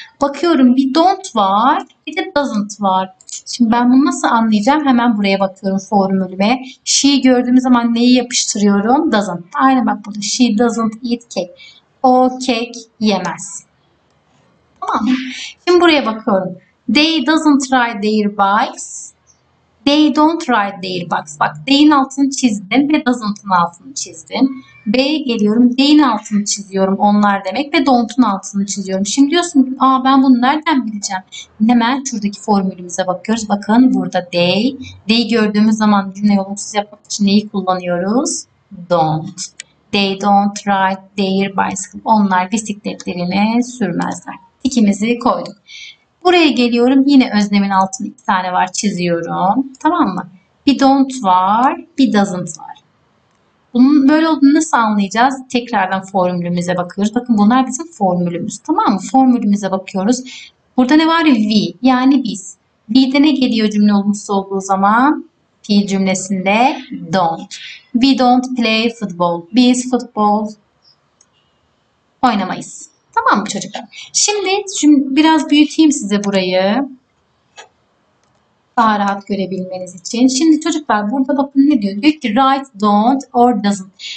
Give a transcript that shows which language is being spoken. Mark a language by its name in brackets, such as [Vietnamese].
[Turkish] Bakıyorum bir don't var, bir de doesn't var. Şimdi ben bunu nasıl anlayacağım? Hemen buraya bakıyorum formülüme. She gördüğüm zaman neyi yapıştırıyorum? Doesn't. Aynen bak burada. [English] She doesn't eat cake. [Turkish] O kek yemez. Tamam mı? Şimdi buraya bakıyorum. [English] They doesn't ride their bikes. They don't ride their bikes. [Turkish] Bak, they'in altını çizdim ve doesn't'ın altını çizdim. B'ye geliyorum. They'in altını çiziyorum. Onlar demek ve don't'un altını çiziyorum. Şimdi diyorsun ki, aa ben bunu nereden bileceğim? Hemen şuradaki formülümüze bakıyoruz. Bakın burada they. They gördüğümüz zaman cümleyi olumsuz yapmak için neyi kullanıyoruz? [English] Don't. They don't ride their bicycle. [Turkish] Onlar bisikletlerini sürmezler. Tikimizi koyduk. Buraya geliyorum. Yine öznemin altını iki tane var. Çiziyorum. Tamam mı? Bir don't var. Bir doesn't var. Bunun böyle olduğunu nasıl anlayacağız? Tekrardan formülümüze bakıyoruz. Bakın bunlar bizim formülümüz. Tamam mı? Formülümüze bakıyoruz. Burada ne var? We. Yani biz. We'de ne geliyor cümle olumsuz olduğu zaman? Fiil cümlesinde [English] don't. We don't play football. [Turkish] Biz futbol oynamayız. Tamam mı çocuklar? Şimdi biraz büyüteyim size burayı. Daha rahat görebilmeniz için. Şimdi çocuklar burada bakın ne diyor? Diyor ki [English] write don't or doesn't.